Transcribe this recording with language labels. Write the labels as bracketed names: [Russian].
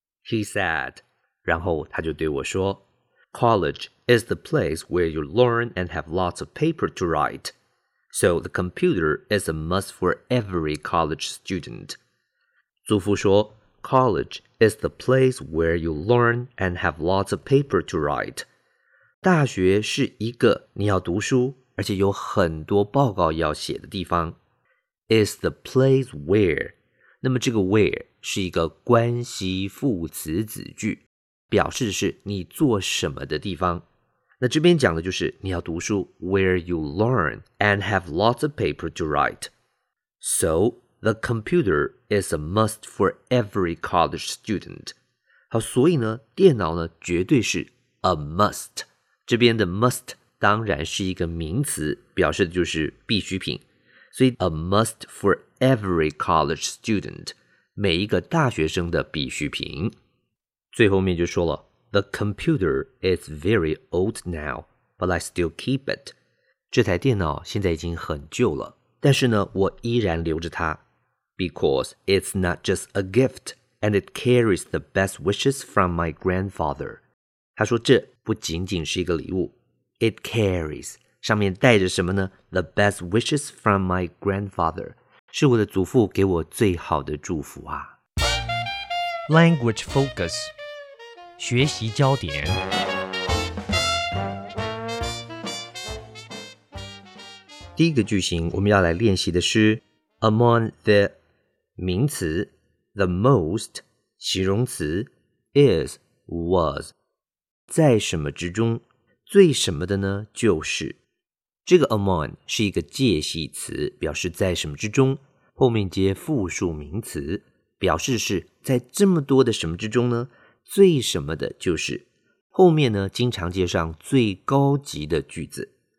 [English] He said, [Chinese] 然后他就对我说 [English] College is the place where you learn and have lots of paper to write. So the computer is a must for every college student. [Chinese] 祖父说 [English] ,College is the place where you learn and have lots of paper to write. [Chinese] 大学是一个你要读书而且有很多报告要写的地方。 [English] Is the place where, [Chinese] 那么这个 where 是一个关系副词子句。表示的是你做什么的地方。那这边讲的就是你要读书 [English] where you learn and have lots of paper to write. So, the computer is a must for every college student. [Chinese] 好，所以呢，电脑呢，绝对是 [English] a must. [Chinese] 这边的 must 当然是一个名词，表示的就是必需品。 [English] 所以 a must for every college student, [Chinese] 每一个大学生的必需品。最后面就说了 [English] The computer is very old now, but I still keep it. [Chinese] 这台电脑现在已经很旧了，但是呢，我依然留着它。 [English] Because it's not just a gift, and it carries the best wishes from my grandfather. [Chinese] 他说这不仅仅是一个礼物。 [English] It carries, [Chinese] 上面带着什么呢 [English] ?The best wishes from my grandfather. [Chinese] 是我的祖父给我最好的祝福啊。 [English] Language focus, [Chinese] 学习焦点。第一个句型我们要来练习的是 among the 名词 the most 形容词 is was 在什么之中最什么的呢就是这个 among 是一个介系词表示在什么之中后面接复数名词表示是在这么多的什么之中呢最什么的就是后面呢经常接上最高级的句子